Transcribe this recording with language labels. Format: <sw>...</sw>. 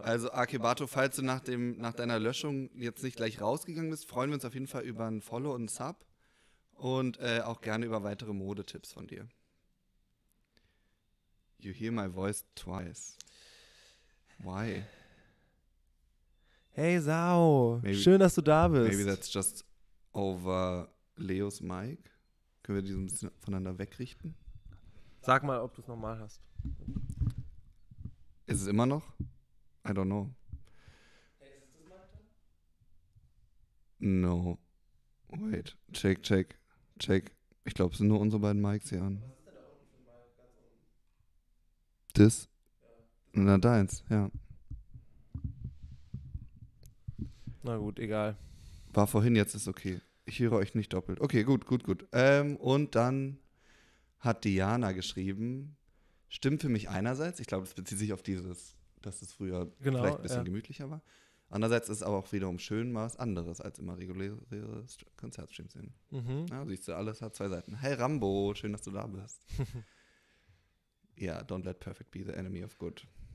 <de>Also Ake Bato, falls du nach deiner Löschung jetzt nicht gleich rausgegangen bist, freuen wir uns auf jeden Fall über ein Follow und ein Sub und auch gerne über weitere Modetipps von dir.</de> <en>You hear my voice twice. Why?</en> <de>Hey Sau, maybe, schön, dass du da bist.</de> <en>Maybe that's just over Leos Mic.</en> <de>Können wir die so ein bisschen voneinander wegrichten? Sag mal, ob du es nochmal hast. Ist es immer noch?</de> <en>I don't know. No. Wait. Check, check, check.</en> <de>Ich glaube, es sind nur unsere beiden Mics hier an. Was ist denn da unten für ein Mic? Das? Na, deins, ja. Na gut, egal. War vorhin, jetzt ist okay. Ich höre euch nicht doppelt. Okay, gut, gut, gut. Und dann hat Diana geschrieben, stimmt für mich einerseits, ich glaube, es bezieht sich auf dieses, dass es früher vielleicht ein bisschen gemütlicher war. Andererseits ist es aber auch wiederum schön was anderes, als immer reguläre Konzertstreams sehen. Mhm. Ja, siehst du, alles hat zwei Seiten. Hey Rambo, schön, dass du da bist.</de> <en>Ja, don't let perfect be the enemy of good.</en>